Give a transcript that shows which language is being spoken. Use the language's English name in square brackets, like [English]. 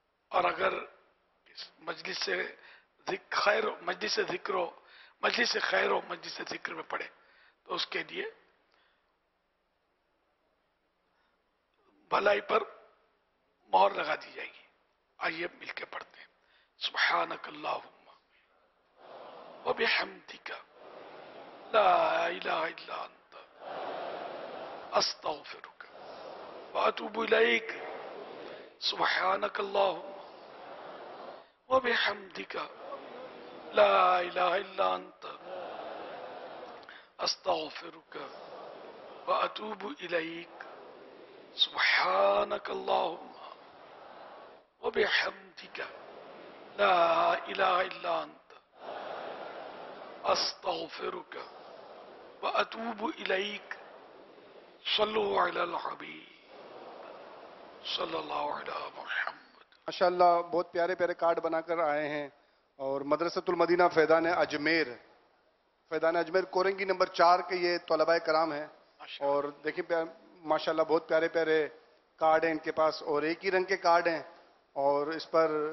[Urdu] اور اگر مجلس سے خیر ہو، مجلس سے ذکر ہو، مجلس سے خیر ہو، مجلس سے ذکر میں پڑھے تو اس کے لیے بھلائی پر مہر لگا دی جائے گی. آئیے مل کے پڑھتے ہیں، [Arabic] سبحانک اللہم وبحمدک لا الہ الا انت استغفرک واتوب الیک، سبحانک اللہم وبحمدک لا الہ الا انت استغفرک واتوب الیک سبحانك اللهم وبحمدك لا إله إلا أنت أستغفرك وأتوب إليك، صلوا على الحبيب. صلی اللہ علیہ محمد. [Urdu] ماشاءاللہ بہت پیارے پیارے کارڈ بنا کر آئے ہیں اور مدرسۃ المدینہ فیضان اجمیر، فیضان اجمیر کورنگی نمبر 4 کے یہ طلباء کرام ہیں، اور دیکھیں ماشاءاللہ بہت پیارے پیارے کارڈ ہیں ان کے پاس، اور ایک ہی رنگ کے کارڈ ہیں، اور اس پر